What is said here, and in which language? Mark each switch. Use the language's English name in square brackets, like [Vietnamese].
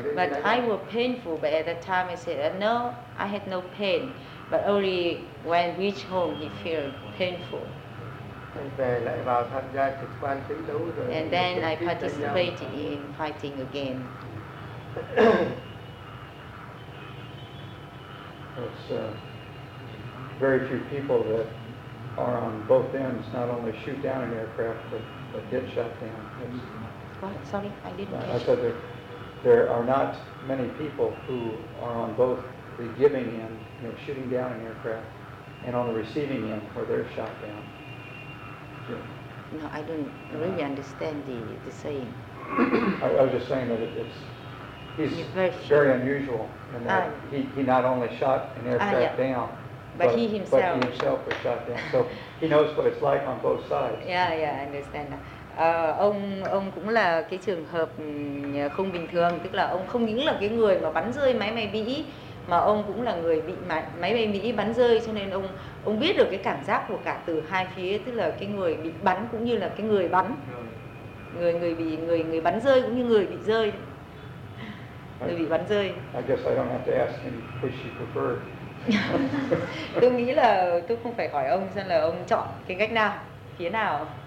[English] But I was painful, but at that time I said, no, I had no pain. But only when reached home, he felt painful. [Vietnamese] Về lại vào tham gia trực quan chiến đấu rồi. [English] And then I participated in fighting again. It's very few people that are on both ends, not only shoot down an aircraft, but get shot down. What? Sorry, I didn't catch. I said there are not many people who are on both the giving end, you know, shooting down an aircraft, and on the receiving end, where they're shot down. Yeah. No, I don't really understand the saying. I was just saying that he's very unusual, and that he not only shot an aircraft down, But he himself. But he himself was shot down, so he knows what it's like on both sides. Yeah, I understand. [Vietnamese] Ông cũng là cái trường hợp không bình thường, tức là ông không những là cái người mà bắn rơi máy bay Mỹ, mà ông cũng là người bị máy bay Mỹ bắn rơi, cho nên ông biết được cái cảm giác của cả từ hai phía, tức là cái người bị bắn cũng như là cái người bắn, người bị người bắn rơi cũng như người bị rơi. rồi bị bắn rơi. [English] I guess I don't have to ask him which she preferred. [Vietnamese] Tôi nghĩ là tôi không phải hỏi ông xem là ông chọn cái cách nào, phía nào.